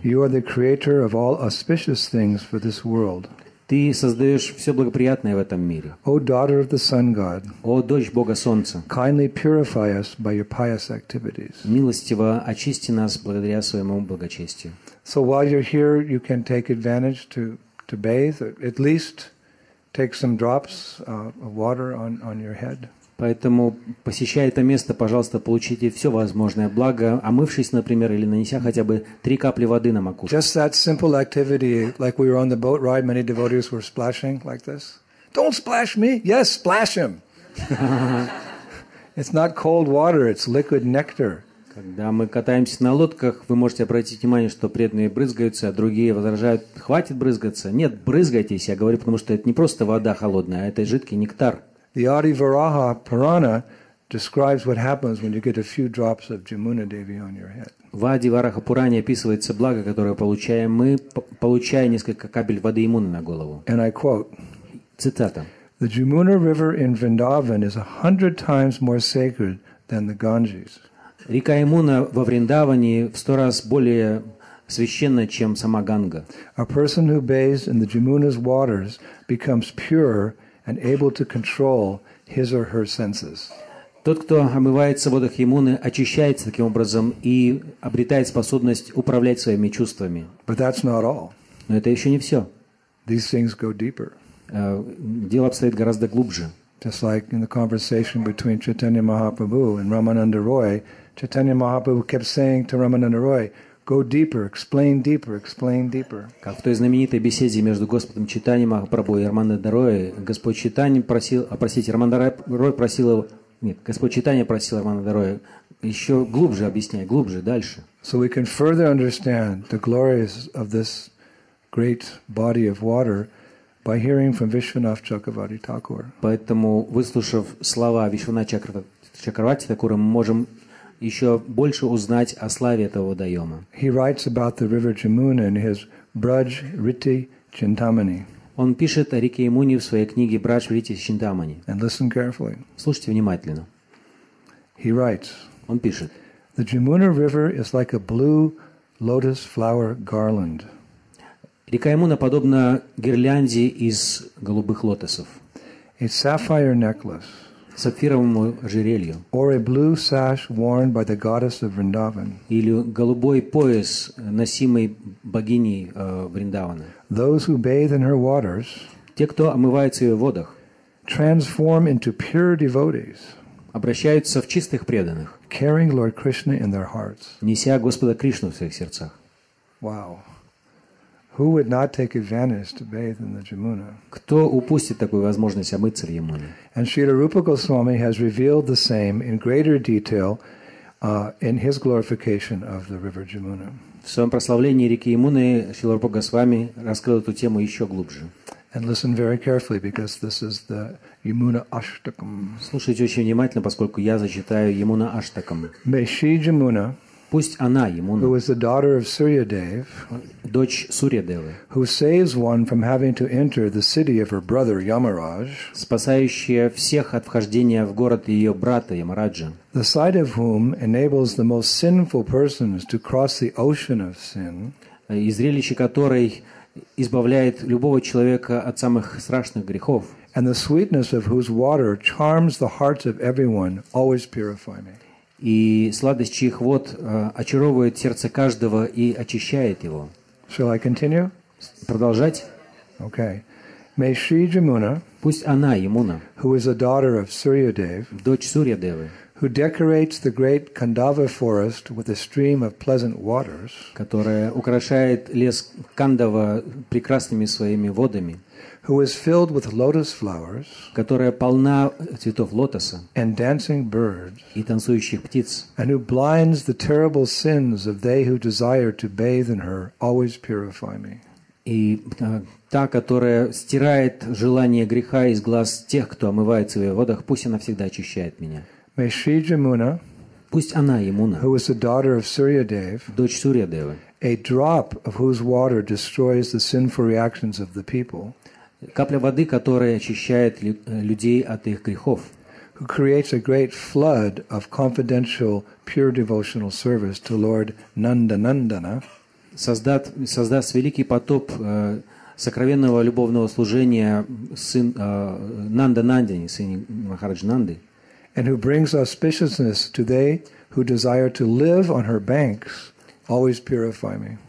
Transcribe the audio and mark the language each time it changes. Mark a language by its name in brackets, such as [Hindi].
[Russian] Ты создаешь все благоприятное в этом мире. [English] O daughter of the sun god, [Russian] о дочь Бога Солнца, [English] kindly purify us by your pious activities. [Russian] Милостиво очисти нас благодаря своему благочестию. [English] So while you're here, you can take advantage to bathe, at least take some drops of water on your head. [Russian] Поэтому, посещая это место, пожалуйста, получите все возможное благо, омывшись, например, или нанеся хотя бы три капли воды на макушку. [English] Just that simple activity, like we were on the boat ride, many devotees were splashing like this. Don't splash me! Yes, splash him! It's not cold water, it's liquid nectar. [Russian] Когда мы катаемся на лодках, вы можете обратить внимание, что преданные брызгаются, а другие возражают, хватит брызгаться. Нет, брызгайтесь, я говорю, потому что это не просто вода холодная, а это жидкий нектар. [English] The Adi Varaha Purana describes what happens when you get a few drops of Jamuna Devi on your head. [Russian] В Адди Вараха Пуране описывается благо, которое получаем мы, получая несколько капель воды Ямуны на голову. [English] And I quote. [Russian] Цитата. [English] The Jamuna River in Vrindavan is 100 times more sacred than the Ganges. [Russian] Река Ямуна во Вриндаване в 100 раз более священна, чем сама Ганга. [English] A person who bathes in the Jamuna's waters becomes pure and able to control his or her senses. [Russian] Тот, кто омывается в водах Ямуны, очищается таким образом и обретает способность управлять своими чувствами. [English] But that's not all. [Russian] Но это еще не все. [English] These things go deeper. [Russian] Дело обстоит гораздо глубже. [English] Just like in the conversation between Chaitanya Mahaprabhu and Ramananda Roy, Chaitanya Mahaprabhu kept saying to Ramananda Roy, go deeper, explain deeper, explain deeper. [Russian] Как в той знаменитой беседе между Господом Чайтаньей Махапрабху и Рамананда Рой, Господь Чайтанья просил, простите, Рамананда Рой просил, нет, Господь Чайтанья просил Рамананда Роя еще глубже объясняй, глубже, дальше. [English] So we can further understand the glories of this great body of water by hearing from Vishwanath Chakravarti Thakur. [Russian] Поэтому, выслушав слова Вишванатха Чакравати Такура, мы можем еще больше узнать о славе этого водоема. [English] He writes about the river Jamuna in his Braj Riti Chintamani. [Russian] Он пишет о реке Ямуне в своей книге Braj Riti Chintamani. [English] And listen carefully. [Russian] Слушайте внимательно. [English] He writes. [Russian] Он пишет. [English] The Jamuna River is like a blue lotus flower garland. [Russian] Река Ямуна подобна гирлянде из голубых лотосов. [English] A sapphire necklace. [Russian] Сапфировому ожерелью. [English] Or a blue sash worn by the goddess of Vrindavan. [Russian] Или голубой пояс, носимый богиней Вриндавана. [English] Those who bathe in her waters. [Russian] Те, кто омывается в ее водах. [English] Transform into pure devotees. [Russian] Обращаются в чистых преданных. [English] Carrying Lord Krishna in their hearts. [Russian] Неся Господа Кришну в своих сердцах. [English] Wow. Who would not take advantage to bathe in the Jamuna? [Russian] Кто упустит такую возможность омыться в Ямуне? [English] And Śrīla Rūpa Gosvāmī has revealed the same in greater detail in his glorification of the river Jamuna. [Russian] В своем прославлении реки Ямуны Śrīla Rūpa Gosvāmī раскрыл эту тему еще глубже. [English] And listen very carefully because this is the Yamuna Ashtakam. [Russian] Слушайте очень внимательно, поскольку я зачитаю Ямуна Аштакам. [English] May she Jamuna. [Russian] Пусть она, Ямуна, [English] who is the daughter of Surya Dev, [Russian] дочь Сурья Девы, [English] who saves one from having to enter the city of her brother Yamaraj, [Russian] спасающая всех от вхождения в город ее брата Ямараджа, [English] the sight of whom enables the most sinful persons to cross the ocean of sin, [Russian] и зрелище которой избавляет любого человека от самых страшных грехов, [English] and the sweetness of whose water charms the hearts of everyone, always purify me. [Russian] И сладость чьих вод очаровывает сердце каждого и очищает его. [English] Shall I continue? [Russian] Продолжать? [English] Okay. May Shri Jamuna, [Russian] пусть она, Ямуна, [English] who is a daughter of Surya Dev, [Russian] дочь Сурья Девы, [English] who decorates the great Kandava forest with a stream of pleasant waters, [Russian] которая украшает лес Кандава прекрасными своими водами, [English] who is filled with lotus flowers, [Russian] которая полна цветов лотоса, [English] and dancing birds, [Russian] и танцующих птиц, [English] and who blinds the terrible sins of they who desire to bathe in her, always purify me. [Russian] И та, которая стирает желание греха из глаз тех, кто омывается в ее водах, пусть она всегда очищает меня. [English] May Shri Jamuna, [Russian] пусть она, Ямуна, [English] who is the daughter of Surya Dev, [Russian] дочь Сурья Девы, [English] a drop of whose water destroys the sinful reactions of the people, [Russian] капля воды, которая очищает людей от их грехов, [English] who creates a great flood of confidential pure devotional service to Lord Nandanandana, [Russian] создаст великий потоп сокровенного любовного служения сын Нанданандане, сын Махарадж Нанды, [English] and who brings auspiciousness to they who desire to live on her banks, always purify me.